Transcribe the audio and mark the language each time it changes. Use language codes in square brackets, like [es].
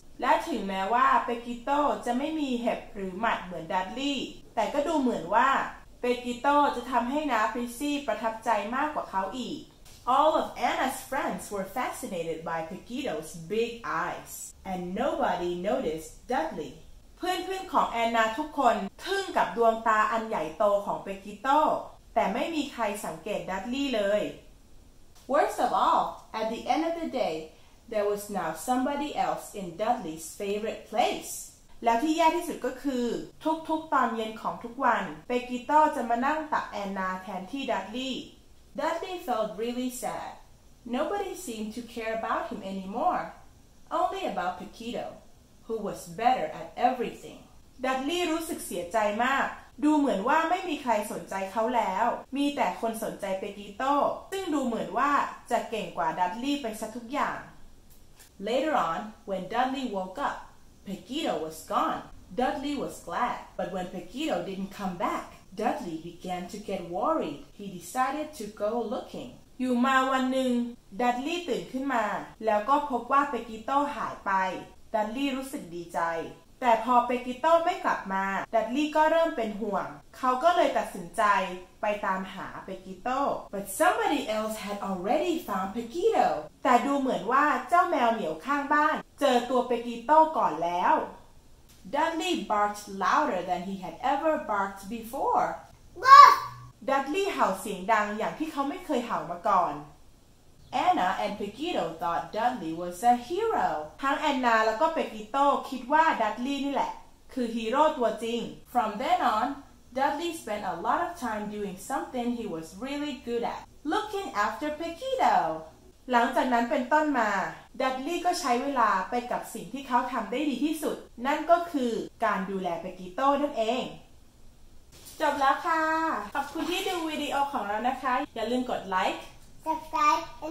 [th] และถึงแม้ว่าเปกิโต้จะไม่มีเห็บหรือหมัดเหมือนดัดลี่แต่ก็ดูเหมือนว่าเปกิโต้จะทำให้น้าพริซซี่ประทับใจมากกว่าเขาอีก [en] All of Anna's friends were fascinated by Pequito's big eyes. And nobody noticed Dudley. [th] เพื่อนๆของแอนนาทุกคนทึ่งกับดวงตาอันใหญ่โตของเปกิโต้แต่ไม่มีใครสังเกตดัดลี่เลย [en] Worst of all, at the end of the dayThere was now somebody else in Dudley's favorite place. [th] แล้วที่แย่ที่สุดก็คือทุกๆตอนเย็นของทุกวันเปกิโต้จะมานั่งตักแอนนาแทนที่ดัดลี่ [en] Dudley felt really sad. Nobody seemed to care about him anymore. Only about Pequito, who was better at everything. [th] ดัดลี่รู้สึกเสียใจมากดูเหมือนว่าไม่มีใครสนใจเขาแล้วมีแต่คนสนใจเปกิโต้ซึ่งดูเหมือนว่าจะเก่งกว่าดัดลี่ไปซะทุกอย่าง [en] Later on, when Dudley woke up, Pequito was gone. Dudley was glad, but when Pequito didn't come back, Dudley began to get worried. He decided to go looking. [th] อยู่มาวันหนึ่ง Dudley ตื่นขึ้นมาแล้วก็พบว่า Pequito หายไป Dudley รู้สึกดีใจแต่พอ Pequito ไม่กลับมา Dudley ก็เริ่มเป็นห่วงเขาก็เลยตัดสินใจไปตามหาเปกิโต้ [en] But somebody else had already found Pequito [th] แต่ดูเหมือนว่าเจ้าแมวเหมียวข้างบ้านเจอตัวเปกิโต้ก่อนแล้ว [en] Dudley barked louder than he had ever barked before [th] Dudley เห่าเสียงดังอย่างที่เขาไม่เคยเห่ามาก่อน [en] Anna and Pequito thought Dudley was a hero [th] ทั้งแอนนาแล้วก็เปกิโต้คิดว่าดัดลี่นี่แหละคือฮีโร่ตัวจริง [en] From then onDudley spent a lot of time doing something he was really good at, looking after Pequito. [th] หลังจากนั้นเป็นต้นมา Dudley ก็ใช้เวลาไปกับสิ่งที่เขาทำได้ดีที่สุดนั่นก็คือการดูแลเปกิโต้นั่นเองจบแล้วค่ะขอบคุณที่ดูวิดีโอของเรานะคะอย่าลืมกด like [en] subscribe